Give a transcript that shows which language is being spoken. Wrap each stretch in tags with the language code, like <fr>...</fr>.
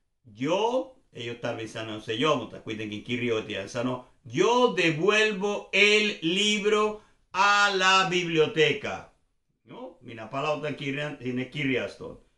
<fi>Yo, ei ole tarvitse sanoa se yo, mutta kuitenkin kirjoitajan sanoo.</fi> <es>Yo devuelvo el libro a la biblioteca.</es> <fi>No, minä palautan kirjan sinne kirjastoon.</fi>